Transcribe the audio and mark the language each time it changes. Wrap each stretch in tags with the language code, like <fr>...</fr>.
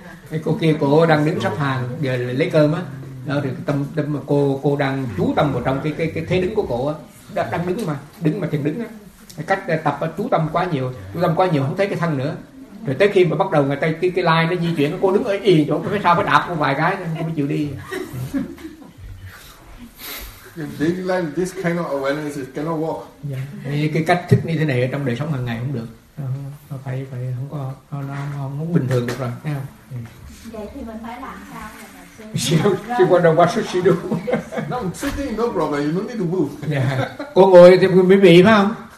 <vi>Cái cô kia cô đang đứng sắp hàng giờ lấy cơm á, đó thì tâm tâm cô đang chú tâm vào trong cái thế đứng của cô á, đang đứng mà thiền đứng á, cách tập chú tâm quá nhiều không thấy cái thân nữa, rồi tới khi mà bắt đầu người ta cái line nó di chuyển, cô đứng ở y chỗ, phải sao phải đạp một vài cái cô mới chịu đi.</vi> <en>Daily life, this kind of awareness is cannot walk. Yeah.</en> <vi>Cái cách thức như thế này ở trong đời sống hàng ngày không được. Nó phải không có nó bình thường được rồi. Vậy thì mình phải làm sao để mà sư?</vi> <en>She wonder what she do. No, sitting no problem. You don't need to move. Yeah.</en> <vi>Cô ngồi thì bị phải không?</vi>